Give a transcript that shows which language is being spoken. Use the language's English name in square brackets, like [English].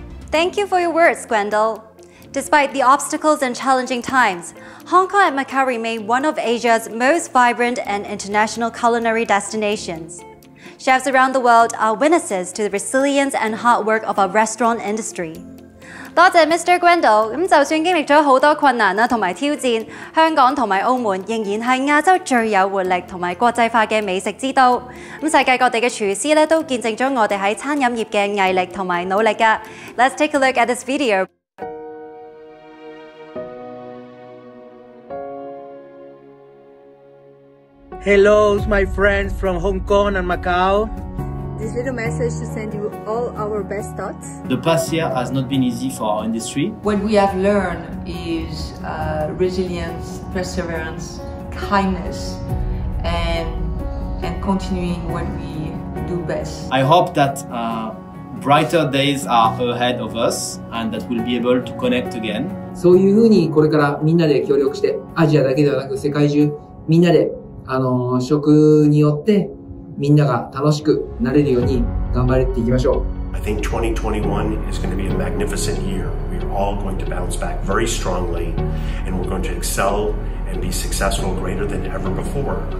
[English] Thank you for your words, Gwendo. Despite the obstacles and challenging times, Hong Kong and Macau remain one of Asia's most vibrant and international culinary destinations. Chefs around the world are witnesses to the resilience and hard work of our restaurant industry. [Chinese] 多謝 Mr. Gwendo， 就算經歷了很多困難和挑戰，香港和澳門仍然是亞洲最有活力和國際化的美食之都。世界各地的廚師都見證了我們在餐飲業的毅力和努力。 [English] Let's take a look at this video. Hello, my friends from Hong Kong and Macau. This little message to send you all our best thoughts. The past year has not been easy for our industry. What we have learned is resilience, perseverance, kindness, and continuing what we do. do best. I hope that brighter days are ahead of us and that we'll be able to connect again. [Japanese] そういうふうにこれからみんなで協力して、アジアだけではなく世界中みんなで食によってみんなが楽しくなれるように頑張っていきましょう。 [English] I think 2021 is going to be a magnificent year. We are all going to bounce back very strongly and we're going to excel and be successful greater than ever before.